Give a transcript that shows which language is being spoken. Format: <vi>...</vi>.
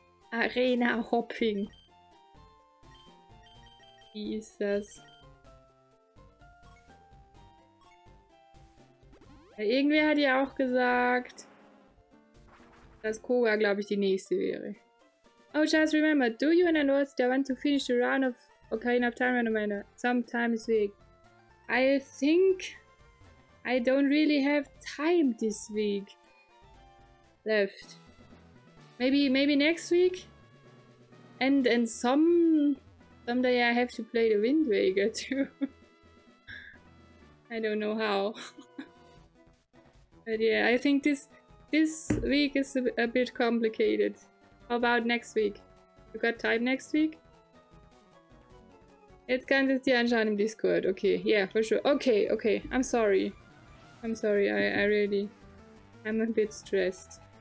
<en>Arena Hopping.</en> <de>Wie ist das? Ja, irgendwer hat ja auch gesagt, dass Koga, glaube ich, die nächste wäre.</de> <en>Oh, just remember, do you and I know that I want to finish the run of Ocarina of Time and sometime this week? I think. I don't really have time this week left. Maybe next week? And someday I have to play the Wind Waker too. I don't know how. But yeah, I think this week is a bit complicated. How about next week? You got time next week?</en> <de>Jetzt kannst du es dir anschauen im Discord.</de> <en>Okay, yeah, for sure. Okay, I'm sorry. I'm sorry, I'm a bit stressed.</en>